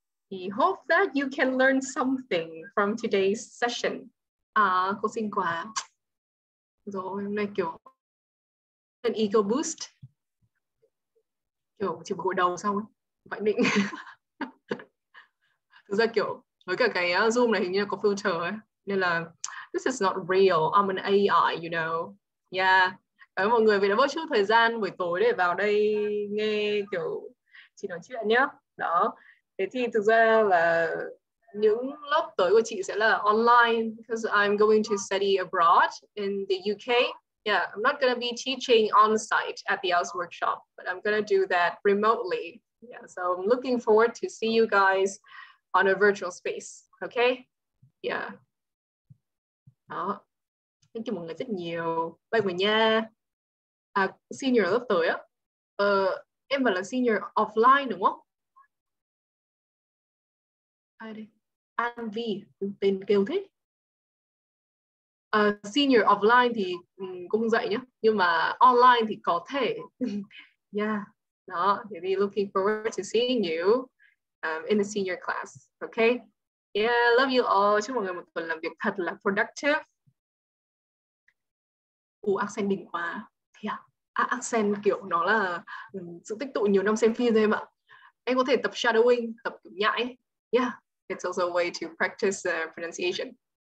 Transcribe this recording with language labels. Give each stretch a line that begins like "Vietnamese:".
English: We hope that you can learn something from today's session.
Vietnamese: Cô xinh quá. Rồi, hôm nay kiểu
English: an ego boost.
Vietnamese: Kiểu chỉ một gội đầu xong ấy. Vậy định. Thực ra kiểu, với cả cái Zoom này hình như là có filter ấy. Nên là,
English: this is not real. I'm an AI, you know. Yeah.
Vietnamese: Cảm ơn mọi người vì đã bớt chút thời gian buổi tối để vào đây nghe kiểu chị nói chuyện nhá. Đó. Thế thì thực ra là những lớp tới của chị sẽ là online
English: because I'm going to study abroad in the UK. Yeah, I'm not going to be teaching on site at the IELTS workshop, but I'm going to do that remotely. Yeah, so I'm looking forward to see you guys on a virtual space. Okay? Yeah. Đó. Thank you
Vietnamese: mọi người rất nhiều. Bye mọi người nha. Senior lớp tới á. Em vẫn là senior offline đúng không? An V tên kêu thế. Senior offline thì cũng dạy nhá, nhưng mà online thì có thể.
English: Yeah,
Vietnamese: đó.
English: Maybe looking forward to seeing you in the senior class. Okay. Yeah, love you all.
Vietnamese: Chúc mọi người một tuần làm việc thật là productive. Accent đỉnh quá. Thì à, accent kiểu nó là sự tích tụ nhiều năm xem phim thôi em ạ. Em có thể tập shadowing, tập nhãi.
English: Yeah. It's also a way to practice pronunciation.